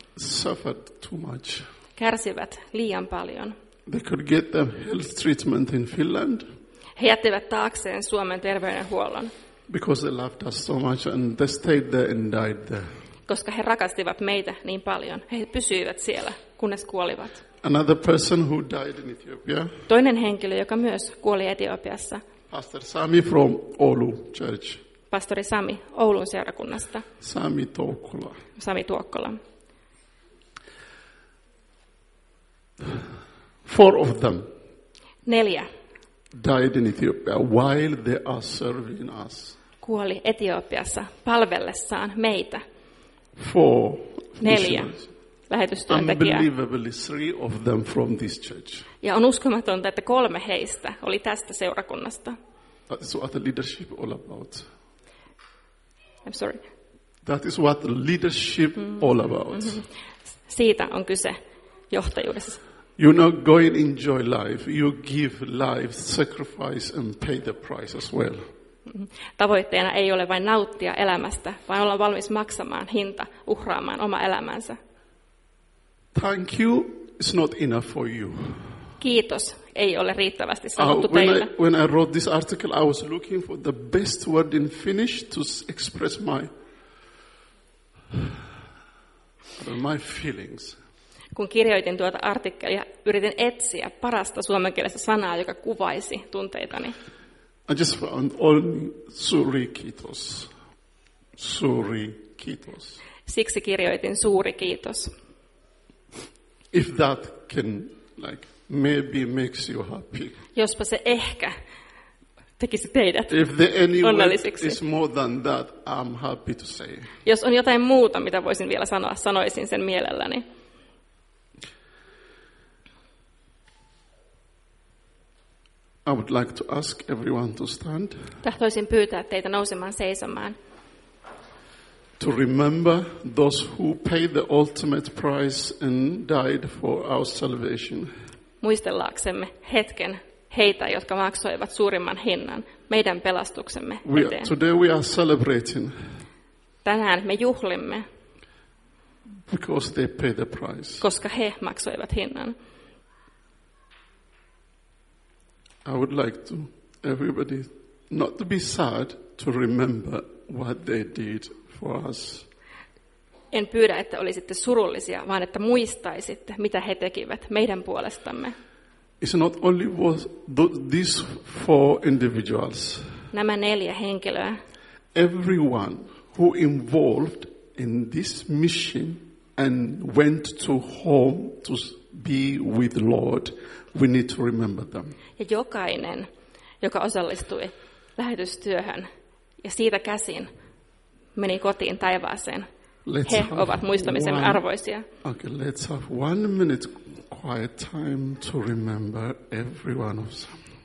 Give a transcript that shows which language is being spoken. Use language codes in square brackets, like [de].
[en] Suffered too much. [fi] Kärsivät liian paljon. [en] They could get them health treatment in Finland. [fi] He jättivät taakseen Suomen terveydenhuollon. [en] Because they loved us so much and they stayed there and died there. [fi] Koska he rakastivat meitä niin paljon, he pysyivät siellä kunnes kuolivat. [en] Another person who died in Ethiopia. [fi] Toinen henkilö, joka myös kuoli Etiopiassa. [en] Pastor Sami from Oulu Church. [fi] Pastori Sami Oulun seurakunnasta. [en] Sami Tuokkola. [fi] Sami Tuokkola. [en] Four of them. [fi] Neljä. [en] Died in Ethiopia while they are serving us. [fi] Kuoli Etiopiassa palvellessaan meitä. [en] Four. [fi] Neljä. Lähetystyöntekijä. [en] Unbelievably, three of them from this church. [fi] Ja on uskomatonta, että kolme heistä oli tästä seurakunnasta. [en] That is what the leadership all about. I'm sorry. That is what the leadership all about. [fi] Siitä on kyse johtajuudessa. [en] You not go and enjoy life. You give life, sacrifice and pay the price as well. [fi] Tavoitteena ei ole vain nauttia elämästä, vaan olla valmis maksamaan hinta, uhraamaan oma elämänsä. [en] Thank you. It's not enough for you. [fi] Kiitos ei ole riittävästi sanottu teille. [en] When I wrote this article, I was looking for the best word in Finnish to express my feelings. [fi] Kun kirjoitin tuota artikkelia, yritin etsiä parasta suomenkielistä sanaa, joka kuvaisi tunteitani. [en] I just found only [fi] suuri kiitos. Suuri kiitos. Siksi kirjoitin suuri kiitos. [en] If that can, like, maybe makes you happy. [fi] Jospa se ehkä tekisi teidät [en] if there any [fi] onnellisiksi. [en] Is more than that, I'm happy to say. [fi] Jos on jotain muuta, mitä voisin vielä sanoa, sanoisin sen mielelläni. [en] I would like to ask everyone to stand. [fi] Tahtoisin pyytää teitä nousemaan seisomaan. [en] To remember those who paid the ultimate price and died for our salvation. [fi] Muistellaksemme hetken heitä, jotka maksoivat suurimman hinnan meidän pelastuksemme eteen. [en] Today we are celebrating. [fi] Tänään me juhlimme. [en] Because they paid the price. [fi] Koska he maksoivat hinnan. [en] I would like to everybody not to be sad to remember what they did for us. [fi] En pyydä, että olisitte surullisia, vaan että muistaisitte, mitä he tekivät meidän puolestamme. [en] It's not only these four individuals. [fi] Nämä neljä henkilöä. [en] Everyone who involved in this mission and went to home to be with the Lord, we need to remember them. [fi] Ja jokainen, joka osallistui lähetystyöhön ja siitä käsin meni kotiin taivaaseen. [en] Let's [fi] he ovat muistamisen [en] one, [fi] arvoisia. [en] Okay, let's have 1 minute quiet time to remember every one of them.